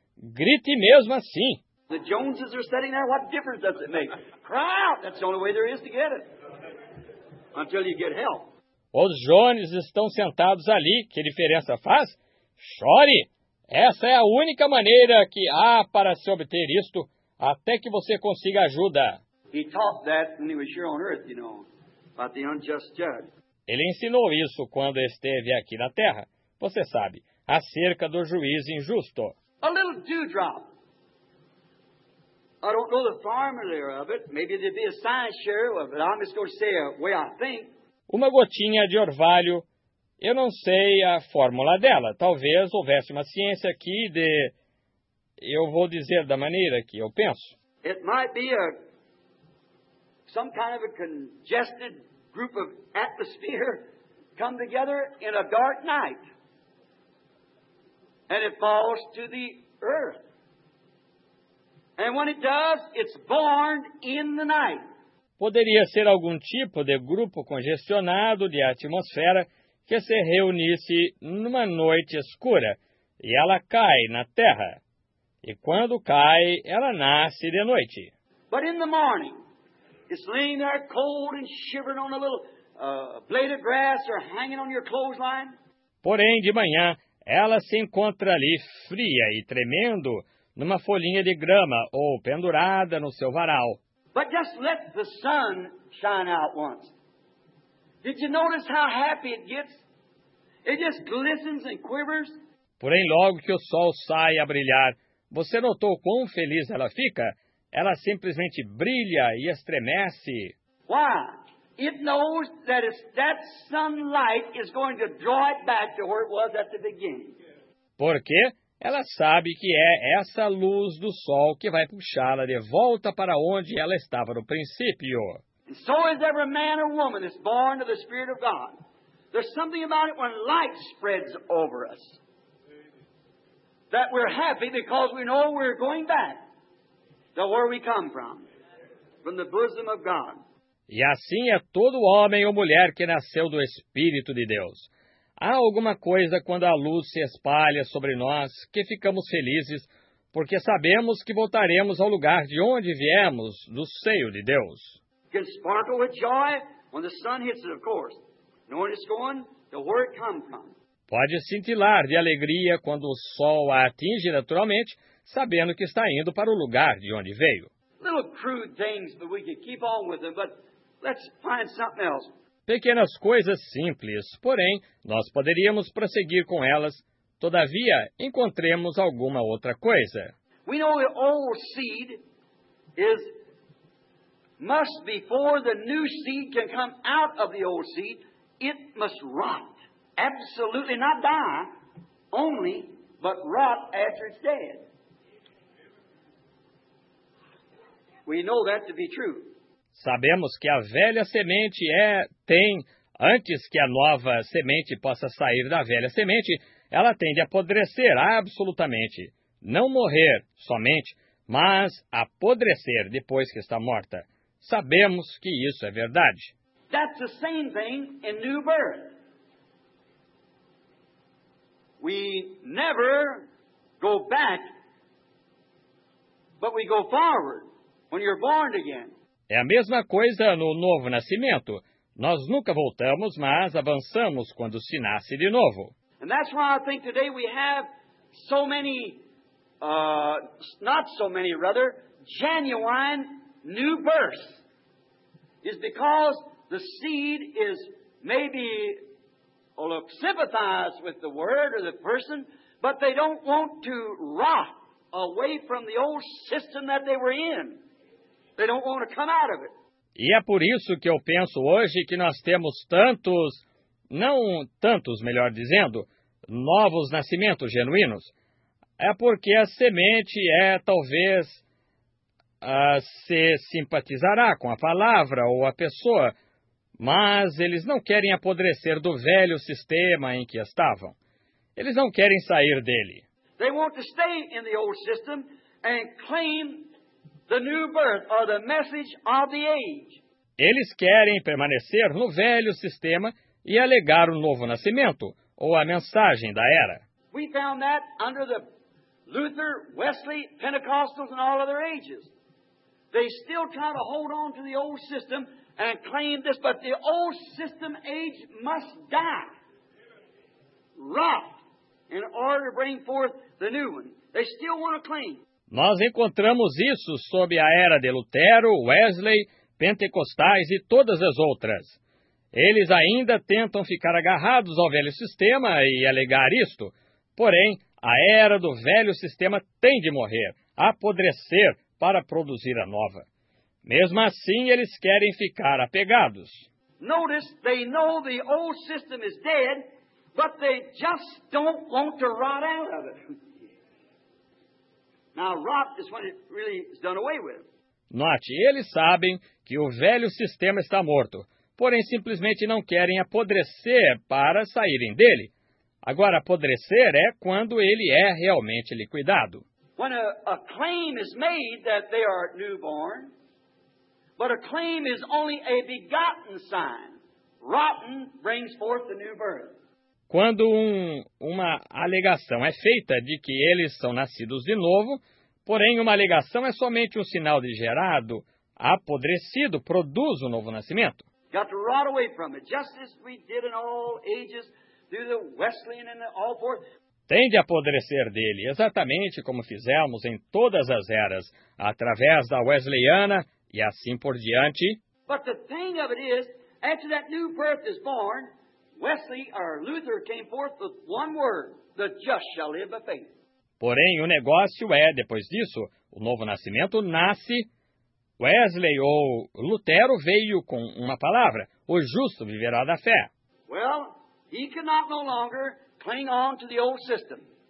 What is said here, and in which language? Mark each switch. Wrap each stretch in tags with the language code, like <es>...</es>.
<pt>Grite mesmo assim.</pt> <en>The Joneses are sitting there, what difference does it make? Cry out, that's the only way there is to get it. Until you get help.</en> <pt>Os Jones estão sentados ali, que diferença faz? Chore! Essa é a única maneira que há para se obter isto, até que você consiga ajuda.</pt> <en>He taught that when he was here on earth, you know, about the unjust judge.</en> <pt>Ele ensinou isso quando esteve aqui na terra, você sabe, acerca do juiz injusto.</pt> <en>A little dewdrop. I don't know the formula of it. Maybe there'd be a science share of it. I'm just going to say the way I think.</en> <pt>Uma gotinha de orvalho. Eu não sei a fórmula dela. Talvez houvesse uma ciência aqui de... Eu vou dizer da maneira que eu penso.</pt> <en>It might be a... some kind of a congested group of atmosphere come together in a dark night. And it falls to the earth. And when it does, it's born in the night.</en> <pt>Poderia ser algum tipo de grupo congestionado de atmosfera que se reunisse numa noite escura e ela cai na terra. E quando cai, ela nasce de noite.</pt> <en>But in the morning, it's laying there cold and shivering on a little blade of grass or hanging on your clothesline.</en> <pt>Porém, de manhã, ela se encontra ali fria e tremendo numa folhinha de grama ou pendurada no seu varal.</pt> <en>But just let the sun shine out once. Did you notice how happy it gets? It just glistens and quivers.</en> <pt>Porém, logo que o sol sai a brilhar, você notou quão feliz ela fica? Ela simplesmente brilha e estremece.</pt> <en>Why? It knows that if that sunlight is going to draw it back to where it was at the beginning.</en> <pt>Por quê? Ela sabe que é essa luz do sol que vai puxá-la de volta para onde ela estava no princípio.</pt> <en>And so is every man or woman that's born to the Spirit of God. There's something about it when light spreads over us. That we're happy because we know we're going back to where we come from. from the bosom of God.</en> <pt>E assim é todo homem ou mulher que nasceu do Espírito de Deus. Há alguma coisa quando a luz se espalha sobre nós que ficamos felizes, porque sabemos que voltaremos ao lugar de onde viemos, do seio de Deus.</pt> <en>Can sparkle with joy when the sun hits it, of course. Know where it's going? To where it come from.</en> <pt>Pode cintilar de alegria quando o sol a atinge naturalmente, sabendo que está indo para o lugar de onde veio.</pt> <en>Little crude things, but we can keep on with them, but let's find something else.</en> <pt>Pequenas coisas simples, porém, nós poderíamos prosseguir com elas. Todavia, encontremos alguma outra coisa.</pt> <en>We know the old seed is must before the new seed can come out of the old seed, it must rot. Absolutely not die, only, but rot after it's dead. We know that to be true.</en> <pt>Sabemos que a velha semente tem, antes que a nova semente possa sair da velha semente, ela tem de apodrecer absolutamente. Não morrer somente, mas apodrecer depois que está morta. Sabemos que isso é verdade.</pt> <en>That's the same thing in new birth. We never go back, but we go forward when you're born again.</en> <pt>É a mesma coisa no novo nascimento. Nós nunca voltamos, mas avançamos quando se nasce de novo.</pt> <en>And that's why I think today we have so many, not so many rather, genuine new births. It's because the seed is maybe, sympathize with the word or the person, but they don't want to rot away from the old system that they were in. They don't want to come out of it.</en> <pt>E é por isso que eu penso hoje que nós temos tantos, não tantos, melhor dizendo, novos nascimentos genuínos. É porque a semente talvez se simpatizará com a palavra ou a pessoa, mas eles não querem apodrecer do velho sistema em que estavam. Eles não querem sair dele.</pt> <en>They want to stay in the old system and claim the new birth or the message of the age.</en> <pt>Eles querem permanecer no velho sistema e alegar o novo nascimento ou a mensagem da era.</pt> <en>We found that under the Luther, Wesley, Pentecostals and all other ages. They still try to hold on to the old system and claim this, but the old system age must die. Rot in order to bring forth the new one. They still want to claim.</en> <pt>Nós encontramos isso sob a era de Lutero, Wesley, Pentecostais e todas as outras. Eles ainda tentam ficar agarrados ao velho sistema e alegar isto. Porém, a era do velho sistema tem de morrer, apodrecer para produzir a nova. Mesmo assim, eles querem ficar apegados.</pt> <en>Notice, they know the old system is dead, but they just don't want to rot out of it. Now, rot is when it really is done away with.</en> <pt>Note, eles sabem que o velho sistema está morto, porém simplesmente não querem apodrecer para saírem dele. Agora, apodrecer é quando ele é realmente liquidado.</pt> <en>When a claim is made that they are newborn, but a claim is only a begotten sign, rotten brings forth the new birth.</en> <pt>Quando uma alegação é feita de que eles são nascidos de novo, porém uma alegação é somente um sinal de gerado, apodrecido, produz um novo nascimento.</pt> <en>Got to rot away from it, just as we did in all ages, through the Wesleyan and all forth.</en> <pt>Tem de apodrecer dele, exatamente como fizemos em todas as eras, através da Wesleyana e assim por diante.</pt> <en>But the thing of it is, after that new birth is born, Wesley or Luther came forth with one word, the just shall live by faith.</en> <pt>Porém, o negócio é, depois disso, o novo nascimento nasce. Wesley ou Lutero veio com uma palavra, o justo viverá da fé.</pt> <en>Well, he could not no longer cling on to the old system.</en>